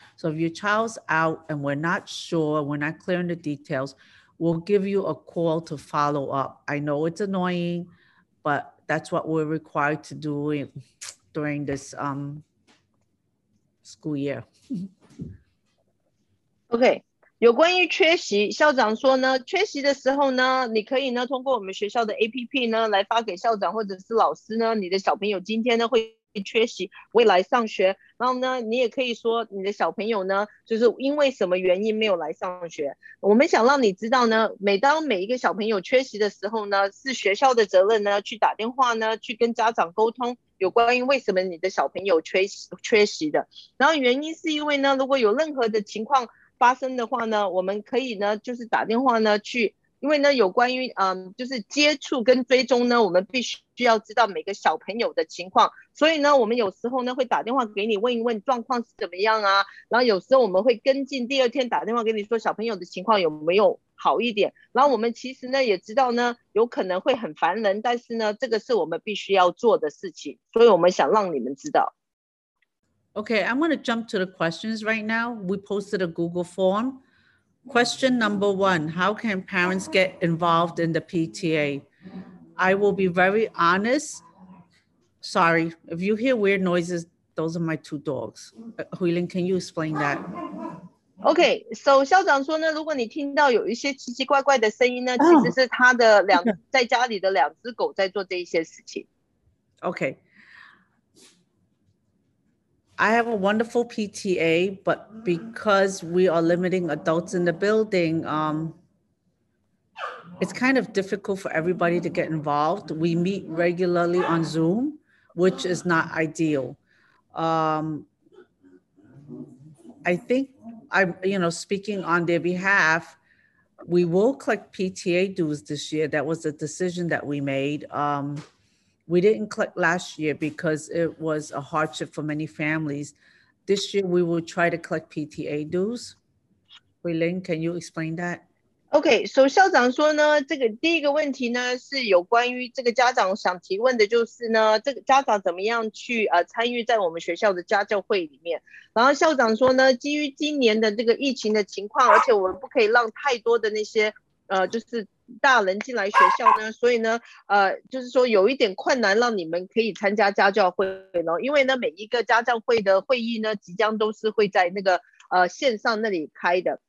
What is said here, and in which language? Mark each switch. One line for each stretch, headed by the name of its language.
English: So if your child's out and we're not sure, we're not clear on the details, we'll give you a call to follow up. I know it's annoying, but that's what we're required to do during this school year. Okay.
Chinese: 有关于缺席，校长说呢，缺席的时候呢，你可以呢通过我们学校的 APP 呢来发给校长或者是老师呢，你的小朋友今天呢会缺席，未来上学，然后呢你也可以说你的小朋友呢就是因为什么原因没有来上学。我们想让你知道呢，每当每一个小朋友缺席的时候呢，是学校的责任呢去打电话呢去跟家长沟通有关于为什么你的小朋友缺席的。然后原因是因为呢，如果有任何的情况发生的话呢，我们可以呢就是打电话呢去，因为呢有关于就是接触跟追踪呢，我们必须要知道每个小朋友的情况，所以呢我们有时候呢会打电话给你问一问状况是怎么样啊，然后有时候我们会跟进，第二天打电话给你说小朋友的情况有没有好一点，然后我们其实呢也知道呢有可能会很烦人，但是呢这个是我们必须要做的事情，所以我们想让你们知道。
English: Okay, I'm going to jump to the questions right now. We posted a Google form. Question number one, how can parents get involved in the PTA? I will be very honest. Sorry, if you hear weird noises, those are my two dogs. Huilin, can you explain that? Okay, so
Chinese: 校长说呢，如果你听到有一些奇奇怪怪的声音呢，其实是他的两在家里的两只狗在做这一些事情。
English: Okay. I have a wonderful PTA, but because we are limiting adults in the building, it's kind of difficult for everybody to get involved. We meet regularly on Zoom, which is not ideal. I think, speaking on their behalf, we will collect PTA dues this year. That was a decision that we made. We didn't collect last year because it was a hardship for many families. This year, we will try to collect PTA dues. Huilin, can you explain that? Okay, so
Chinese: 校长说呢，这个第一个问题呢是有关于这个家长想提问的，就是呢，这个家长怎么样去参与在我们学校的家教会里面。然后校长说呢，基于今年的这个疫情的情况，而且我们不可以让太多的那些就是大人进来学校呢，所以呢就是说有一点困难让你们可以参加家教会呢，因为呢每一个家教会的会议呢即将都是会在那个线上那里开的。